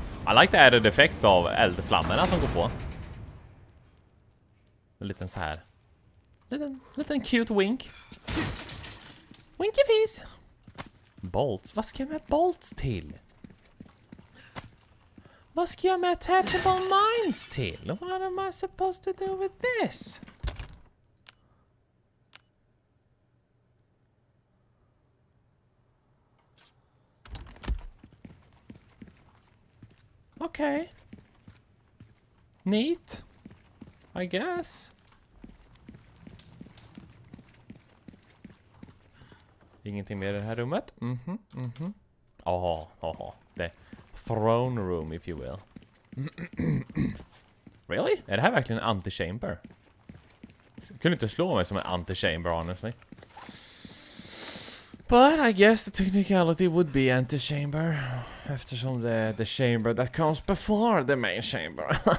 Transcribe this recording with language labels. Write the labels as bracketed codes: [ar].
[en] I like the added effect [sv] av eldflammorna som går på. En liten så här. Liten [en] cute wink. Winky face. [sv] Bolts. Vad ska jag med bolts till? Vad ska jag med attachable mines till? [en] What am I supposed to do with this? Okay. Neat. I guess. [sv] Ingenting mer i det här rummet? Aha. [en] The throne room, if you will. [sv] Really? Är det här verkligen en antichamber? Kunde inte slå mig som en antichamber, honestly. [en] But I guess the technicality would be antichamber. [sv] Eftersom det är [en] the chamber that comes before the main chamber.